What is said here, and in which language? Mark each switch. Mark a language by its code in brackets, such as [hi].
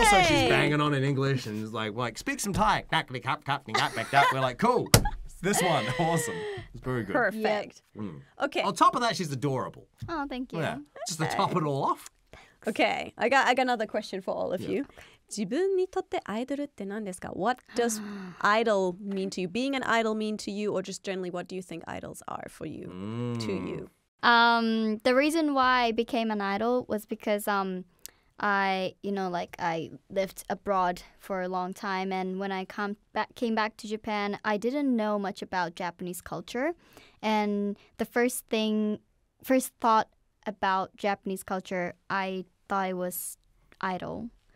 [en] Also she's banging on in English and is like, speak some Thai. We're like, cool. This one, awesome. It's very good. Perfect. Mm. Okay. On top of that, she's adorable. Oh, thank you. Yeah. Okay. Just to top it all off. Okay, I got another question for all of you. [ja] 自分にとってアイドルって何ですか? [en] What does idol mean to you? Being an idol mean to you, or just generally, what do you think idols are for you, to you? The reason why I became an idol was because I lived abroad for a long time, and when I came back to Japan, I didn't know much about Japanese culture, and the first thought about Japanese culture, I thought it was idol.